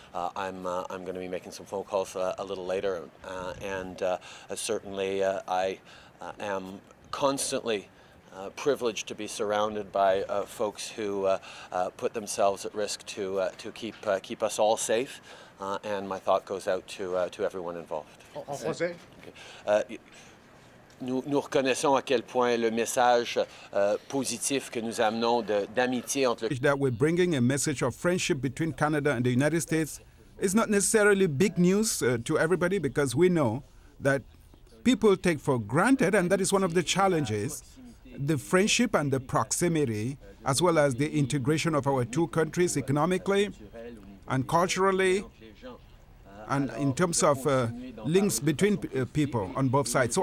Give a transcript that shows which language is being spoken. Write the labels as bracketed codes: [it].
[en] I'm going to be making some phone calls a little later, and certainly I am constantly privileged to be surrounded by folks who put themselves at risk to keep us all safe. And my thought goes out to everyone involved. [fr] Nous reconnaissons à quel point le message positif que nous amenons d'amitié entre le... [en] That we're bringing a message of friendship between Canada and the United States is not necessarily big news to everybody, because we know that people take for granted, and that is one of the challenges, the friendship and the proximity, as well as the integration of our two countries economically and culturally, and in terms of links between people on both sides.